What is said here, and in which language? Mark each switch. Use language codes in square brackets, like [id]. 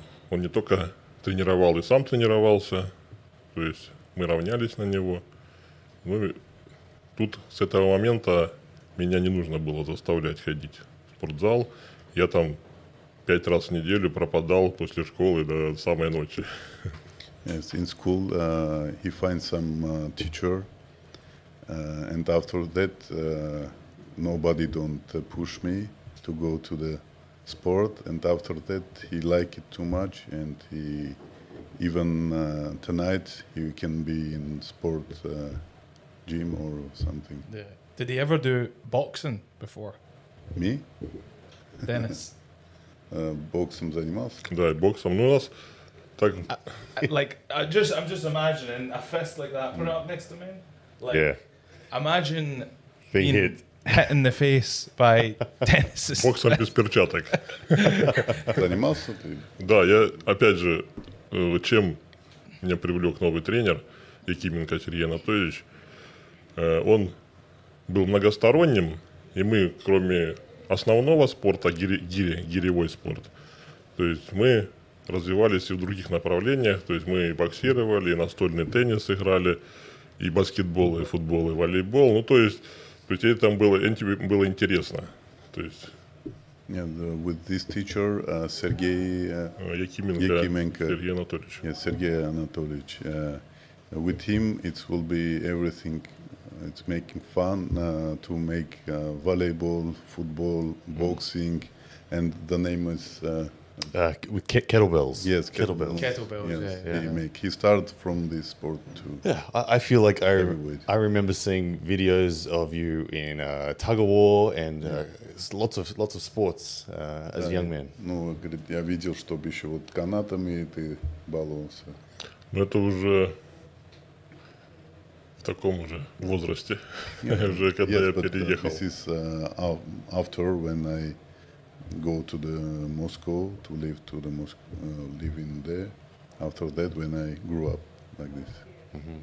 [ru] Он не только тренировал и сам тренировался, то есть мы равнялись на него. Ну и тут с этого момента меня не нужно было заставлять ходить в спортзал. Я там 5 раз в неделю пропадал после школы до самой ночи. [en] Yes, in school he finds some teacher, and after that nobody don't push me to go to the sport, and after that he like it too much, and he even tonight he can be in sport gym or something. Yeah. Did he ever do boxing before? Me? Denis. [ru] Boxing занимался? Да, боксом. Ну, у нас так... [en] I'm just imagining a fist like that put up next to me. Like, yeah. Imagine being hit in the face by Denis's... [ru] Боксом без перчаток. Занимался ты? Да, я, опять же, чем меня привлек новый тренер, Якименко Сергей Анатольевич, он был многосторонним, и мы, кроме основного спорта, гиревой спорт, то есть мы развивались и в других направлениях, то есть мы и боксировали, и настольный теннис играли, и баскетбол, и футбол, и волейбол, ну, то есть, при тебе там было интересно, то есть... [en] Yeah, with this teacher, Сергей... [ru] Якименко. Сергей Анатольевич. [en] Yeah, Сергей Анатольевич. With him, it will be everything... It's making fun to make volleyball, football, boxing, and the name is kettlebells. Yes, kettlebells. Kettlebells. Yes, yeah. He started from this sport too. Yeah, I feel like I remember seeing videos of you in tug of war and lots of sports as a young man. [ru] Ну, говорит, я видел, что еще вот канатами ты баловался. Ну это уже. В таком же возрасте, yeah. уже когда [en] yes, [ru] я [en] but, [ru] переехал. [en] This is after when I go to the Moscow to live to the Moscow, living there. After that, when I grew up like this, mm-hmm.